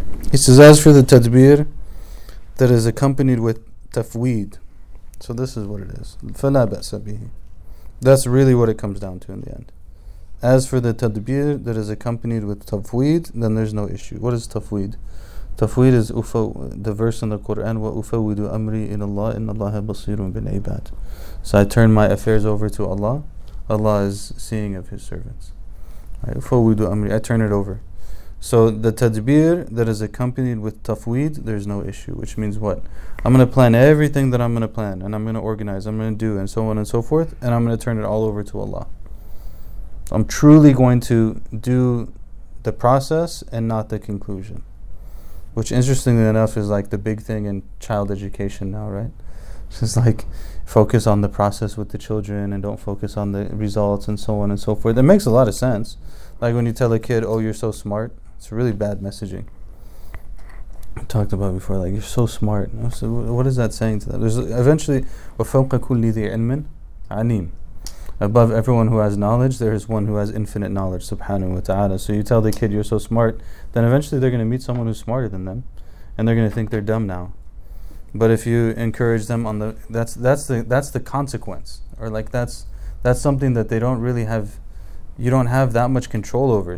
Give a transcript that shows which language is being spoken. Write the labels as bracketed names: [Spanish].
[English] He says, as for the tadbir that is accompanied with tafweed, so this is what it is. [Arabic] فَلَا بَأْسَ بِهِ. [English] That's really what it comes down to in the end. As for the tadbir that is accompanied with tafweed, then there's no issue. What is tafweed? Tafweed is the verse in the Quran, [Arabic] وَأُفَوِّدُ أَمْرِي إِلَى اللَّهِ إِنَّ اللَّهَ بَصِيرٌ بِالْعِبَادِ. [English] So I turn my affairs over to Allah. Allah is seeing of His servants. [Arabic] أُفَوِّدُ أَمْرِي, [English] I turn it over. So the tadbir that is accompanied with tafweed, there's no issue, which means what? I'm going to plan everything that I'm going to plan, and I'm going to organize, I'm going to do, and so on and so forth, and I'm going to turn it all over to Allah. I'm truly going to do the process and not the conclusion. Which, interestingly enough, is like the big thing in child education now, right? It's like, focus on the process with the children and don't focus on the results and so on and so forth. It makes a lot of sense. Like when you tell a kid, oh, you're so smart, it's really bad messaging. I talked about before, like, you're so smart. So what is that saying to them? There's eventually, [Arabic] وَفَوْقَ كُلِّ ذِي عِلْمٍ عَلِيمٍ. [English] Above everyone who has knowledge, there is one who has infinite knowledge, subhanahu wa ta'ala. So you tell the kid you're so smart, then eventually they're going to meet someone who's smarter than them, and they're going to think they're dumb now. But if you encourage them on the, that's the consequence, or like that's something that they don't really have, you don't have that much control over.